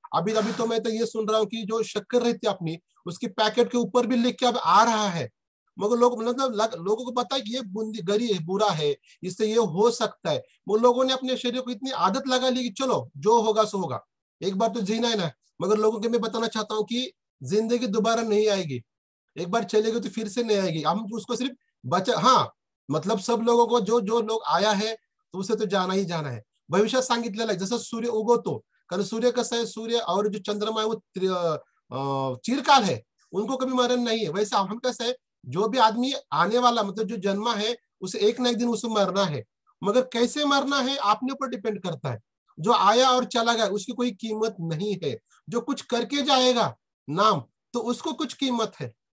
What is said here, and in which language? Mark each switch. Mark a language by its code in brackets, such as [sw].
[hi] अभी अभी तो मैं तो ये सुन रहा हूँ कि जो शक्कर रहती है अपनी उसके पैकेट के ऊपर भी लिख के अब आ रहा है, मगर लोग मतलब लोगों को पता है कि ये बूंदी गरी है, बुरा है, इससे ये हो सकता है, मगर लोगों ने अपने शरीर को इतनी आदत लगा ली कि चलो जो होगा सो होगा, एक बार तो जीना है ना। मगर लोगों के मैं बताना चाहता हूँ कि जिंदगी दोबारा नहीं आएगी, एक बार चले गए तो फिर से नहीं आएगी, हम उसको सिर्फ बचा, हाँ मतलब सब लोगों को जो जो लोग आया है तो उसे तो जाना ही जाना है। [mr] भविष्य सांगितलेलं आहे, जसं सूर्य उगवतो, कारण सूर्य कसं आहे, सूर्य और जो चंद्रमा आहे [hi] वो चिरकाल है, उनको कभी मरण नहीं है। वैसे हम [mr] कसं आहे, [hi] जो भी आदमी आने वाला मतलब जो जन्म है उसे एक ना एक दिन उसे मरना है, मगर कैसे मरना है अपने ऊपर डिपेंड करता है। जो आया और चला गया उसकी कोई कीमत नहीं है, जो कुछ करके जाएगा नाम तो उसको कुछ कीमत है।